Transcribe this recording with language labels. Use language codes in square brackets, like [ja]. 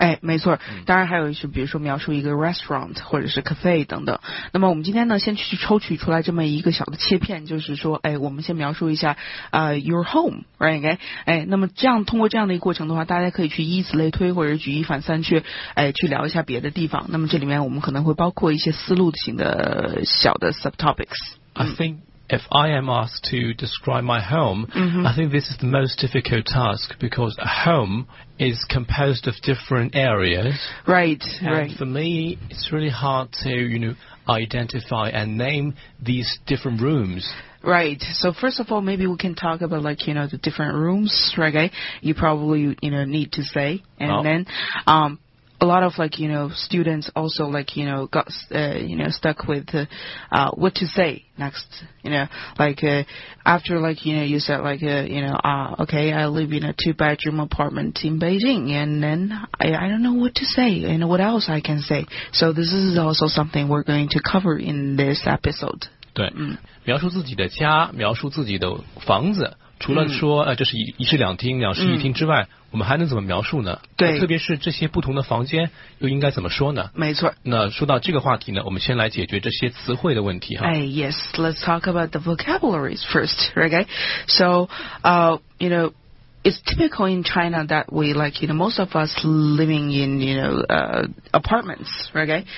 [zh] 没错，当然还有一些比如说描述一个 restaurant 或者是 cafe 等等。那么我们今天呢先去抽取出来这么一个小的切片，就是说我们先描述一下 [en] your home right [zh] 那么这样通过这样的一个过程的话，大家可以去以此类推或者举一反三去去聊一下别的地方。那么这里面我们可能会包括一些思路型的小的 subtopics。 [en] I think if I am asked to describe my home、I think this is the most difficult task because a home is composed of different areas right and right. For me it's really hard to you know identify and name these different rooms Right. So first of all, maybe we can talk about like, you know, the different rooms, right? You probably, you know, need to say. And then, a lot of like, you know, students also like, you know, got, you know, stuck with, what to say next, you know, like, after like, you know, you said like, you know, okay, I live in a 2-bedroom apartment in Beijing and then I don't know what to say and what else I can say. So this is also something we're going to cover in this episode. [zh] 对，描述自己的家，描述自己的房子，除了说这是一室两厅两室一厅之外，我们还能怎么描述呢？对，特别是这些不同的房间又应该怎么说呢？没错，那说到这个话题呢，我们先来解决这些词汇的问题哈。 [en] Yes, let's talk about the vocabularies first, okay? So you knowIt's typical in China that we like, you know, most of us living in, you know, apartments, right?